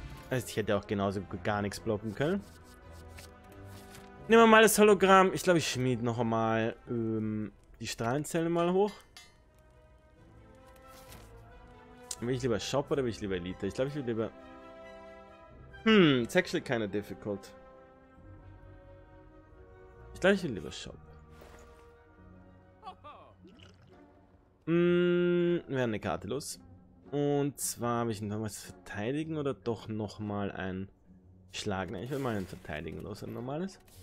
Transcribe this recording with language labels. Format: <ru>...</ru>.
<de>Also ich hätte auch genauso gar nichts blocken können. Nehmen wir mal das Hologramm. Ich glaube, ich schmied noch einmal die Strahlenzelle mal hoch. Will ich lieber Shop oder will ich lieber Elite? Ich glaube, ich will lieber...</de> <en>it's actually kind of difficult.</en> <de>Ich glaube, ich will lieber Shop. Wir haben eine Karte los. Und zwar habe ich nochmal das Verteidigen oder doch nochmal ein Schlag. Nein, ich will mal ein Verteidigen los, ein normales.</de>